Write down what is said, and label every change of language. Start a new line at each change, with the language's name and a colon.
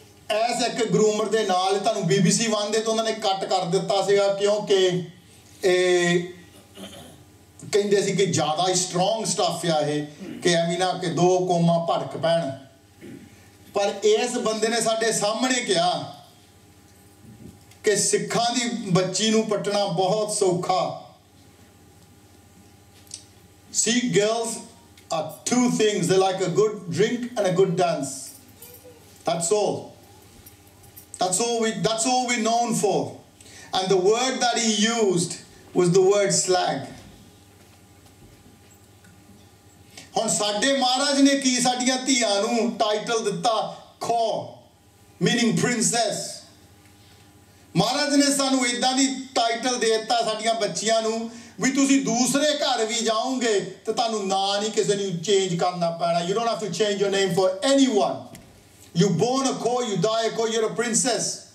Punjabi: S ਇੱਕ groomer ਦੇ ਨਾਲ ਤੁਹਾਨੂੰ BBC 1 ਦੇ ਤਾਂ ਉਹਨਾਂ ਨੇ ਕੱਟ ਕਰ ਦਿੱਤਾ ਸੀਗਾ, ਕਿਉਂਕਿ ਇਹ ਕਹਿੰਦੇ ਸੀ ਕਿ ਜ਼ਿਆਦਾ ਹੀ ਸਟਰੋਂਗ ਸਟੱਫ ਆ ਇਹ, ਕਿ ਐਵੇਂ ਨਾ ਕਿ 2 ਕੌਮਾ ਭੜਕ ਪੈਣ. ਪਰ ਇਸ ਬੰਦੇ ਨੇ ਸਾਡੇ ਸਾਹਮਣੇ ਕਿਹਾ ਕਿ ਸਿੱਖਾਂ ਦੀ ਬੱਚੀ ਨੂੰ ਪੱਟਣਾ ਬਹੁਤ ਸੌਖਾ ਸੀ. Girls
English: are two things. They're like a good drink and a good dance. That's all. That's all we're known for. And the word that he used was the word slag.
Punjabi: ਹੁਣ ਸਾਡੇ ਮਹਾਰਾਜ ਨੇ ਕੀ ਸਾਡੀਆਂ ਧੀਆਂ ਨੂੰ ਟਾਈਟਲ ਦਿੱਤਾ kho meaning princess ਮਹਾਰਾਜ ਨੇ ਸਾਨੂੰ ਇਦਾਂ ਦੀ ਟਾਈਟਲ ਦੇ ਦਿੱਤਾ ਸਾਡੀਆਂ ਬੱਚੀਆਂ ਨੂੰ ਵੀ ਤੁਸੀਂ ਦੂਸਰੇ ਘਰ ਵੀ ਜਾਓਗੇ ਤੇ ਤੁਹਾਨੂੰ ਨਾਂ ਨਹੀਂ ਕਿਸੇ ਨੂੰ ਚੇਂਜ ਕਰਨਾ ਪੈਣਾ
English: you don't have to change your name for anyone you born a ਖੋ you die a ਖੋ you are a princess